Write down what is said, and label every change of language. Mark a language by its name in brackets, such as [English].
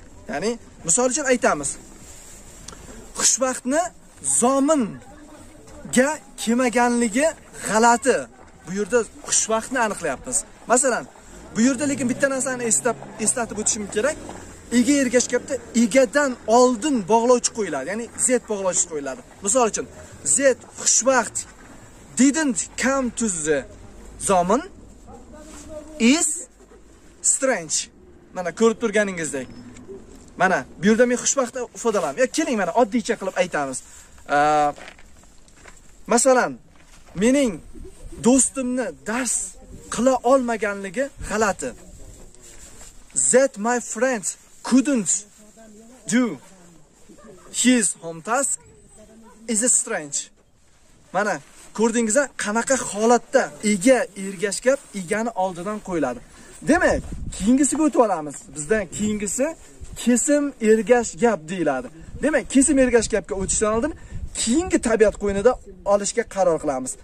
[Uzbek] Ya'ni misol uchun aytamiz: xushvaqtni Zominga kelmaganligi g'alati. Bu yerda xushvaqtni aniqlayapmiz. Masalan, bu yerda lekin bitta narsani eslatib o'tishim kerak. Ega ergash gapda egadan oldin bog'lovchi qo'yiladi, ya'ni z bog'lovchi qo'yiladi. Misol uchun, [English] Zed xushvaqt didn't come to the zaman is strange. [Uzbek] Mana ko'rib turganingizdek. Mana bu yerda men xushvaqtda ifodalayman. Yo keling mana oddiycha qilib aytamiz. Masalan, mening do'stimni dars qila olmaganligi g'alati. [English] Zed my friend couldn't do his home task is a strange. [Uzbek] Mana ko'rdingiz-a qanaqa holatda ega ergashgap egani oldidan qo'yiladi. Demak, keyingisiga o'tib olamiz. Bizdan keyingisi kesim ergashgap deyiladi. Demak, kesim ergashgapga o'tishdan oldin keyingi tabiat qo'ynida olishga qaror qilamiz.